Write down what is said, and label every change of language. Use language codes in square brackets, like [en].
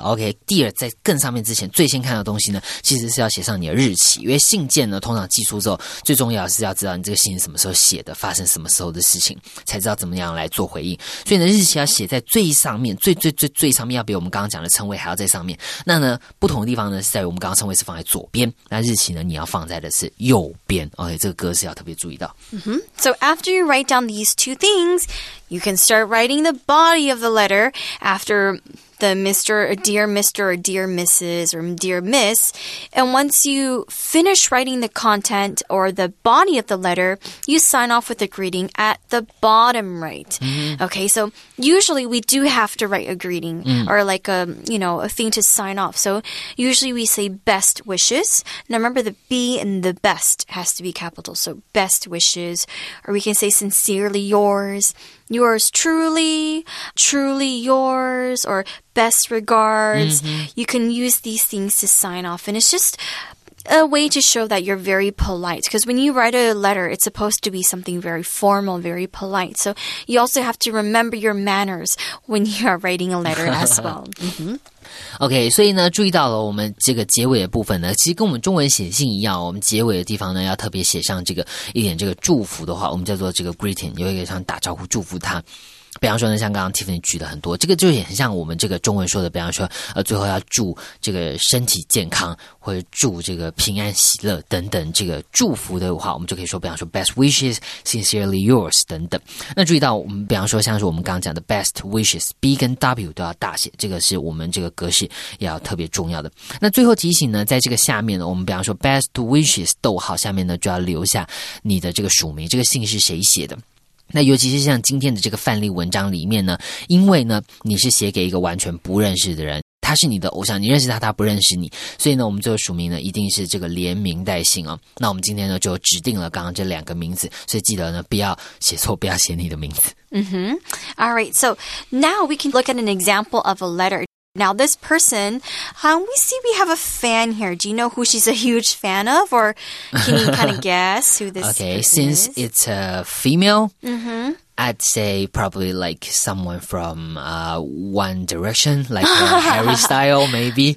[zh] OK， dear 在更上面之前最先看到的东西呢，其实是要写上你的日期，因为信件呢通常寄出之后最重要是要知道你这个信是什么时候写的，发生什么时候的事情，才知道怎么样来做回应。所以呢，日期要写在最上面，最最最最上面，要比我们刚刚讲的称谓还要在上面。那呢不同的地方呢是在于我们刚刚称谓是放在左边，那日期呢你要放在的是右边。 OK， 这个格式要特别注意到。 [en] So after you write down these two things, You can start writing the body of the letter after the Mr. or Dear Mrs. or Dear Miss. And once you finish writing the content or the body of the letter, you sign off with a greeting at the bottom right. Mm-hmm. Okay, so usually we do have to write a greeting or like a, you know, a thing to sign off. So usually we say best wishes. Now remember the B in the best has to be capital. So best wishes. Or we can say sincerely yours. Yours truly, truly yours, or best regards. Mm-hmm. You can use these things to sign off. And it's just a way to show that you're very polite. Because when you write a letter, it's supposed to be something very formal, very polite. So you also have to remember your manners when you are writing a letter as well. [zh] OK, 所以呢注意到了我们这个结尾的部分呢其实跟我们中文写信一样我们结尾的地方呢要特别写上这个一点这个祝福的话我们叫做这个 greeting, 有一个像打招呼祝福他。比方说呢像刚刚 Tiffany 举的很多这个就也很像我们这个中文说的比方说最后要祝这个身体健康或者祝这个平安喜乐等等这个祝福的话我们就可以说比方说 [en] best wishes, sincerely yours, [zh] 等等。那注意到我们比方说像是我们刚刚讲的 best wishes, B 跟 W 都要大写这个是我们这个格式也要特别重要的。那最后提醒呢在这个下面呢我们比方说 best wishes, 逗号下面呢就要留下你的这个署名这个信是谁写的。那尤其是像今天的这个范例文章里面呢因为呢你是写给一个完全不认识的人他是你的偶像你认识他他不认识你所以呢我们就署名呢一定是这个连名带姓哦那我们今天呢就指定了刚刚这两个名字所以记得呢不要写错不要写你的名字。 [en] Mm-hmm. All right, so now we can look at an example of a letter. Now, this person, we see we have a fan here. Do you know who she's a huge fan of? Or can you kind of guess who this okay, person since is? Okay, since it's a female,、 mm-hmm. I'd say probably like someone from、One Direction, like Harry Styles, maybe.